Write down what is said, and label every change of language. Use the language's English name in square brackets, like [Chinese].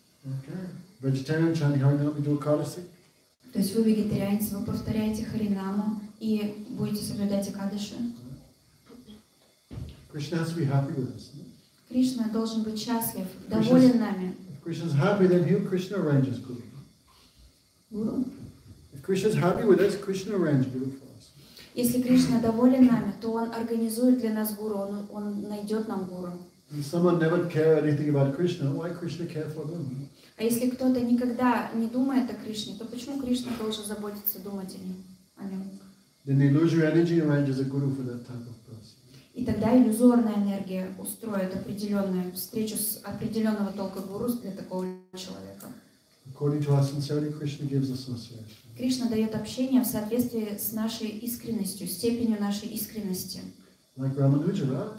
[English] Okay. Vegetarian chanting Харинама, do Акадаши. [Russian] То есть вы вегетарианец, вы повторяете Харинама и будете соблюдать Акадаши. [English] Krishna has to be happy with us. [Russian] Кришна должен быть счастлив, доволен нами. [English] If Krishna's happy, then he, Krishna arranges guru. If Krishna's happy with us, Krishna arranges guru for us. [Russian] Если Кришна доволен нами, то он организует для нас гуру, он найдет нам гуру. [English] If someone never cared anything about Krishna, why Krishna care for them? [Russian] А если кто-то никогда не думает о Кришне, то почему Кришна должен заботиться, думать о нем? [English] Then the illusory energy arranges a guru for that type of person. [Russian] И тогда иллюзорная энергия устроит определенную встречу с определенного толка гуру для такого человека. [English] According to our sincerity, Krishna gives association. [Russian] Кришна дает общение в соответствии с нашей искренностью, степенью нашей искренности. [English] Like Рамануджа, right?